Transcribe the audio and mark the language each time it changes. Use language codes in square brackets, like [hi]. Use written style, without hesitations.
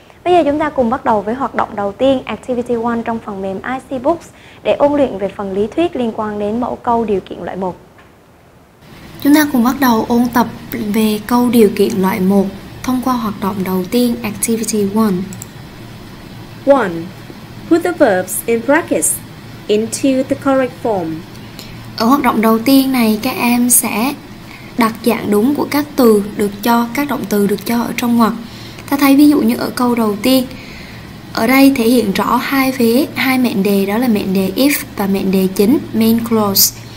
[vi] Bây giờ chúng ta cùng bắt đầu với hoạt động đầu tiên, Activity 1 trong phần mềm IC Books để ôn luyện về phần lý thuyết liên quan đến mẫu câu điều kiện loại 1. Chúng ta cùng bắt đầu ôn tập về câu điều kiện loại 1 thông qua hoạt động đầu tiên, Activity 1. 1. [en] Put the verbs in brackets into the correct form. [vi] Ở hoạt động đầu tiên này, các em sẽ đặt dạng đúng của các từ được cho, các động từ được cho ở trong ngoặc. Ta thấy ví dụ như ở câu đầu tiên, ở đây thể hiện rõ hai vế, hai mệnh đề, đó là mệnh đề if và mệnh đề chính, main clause.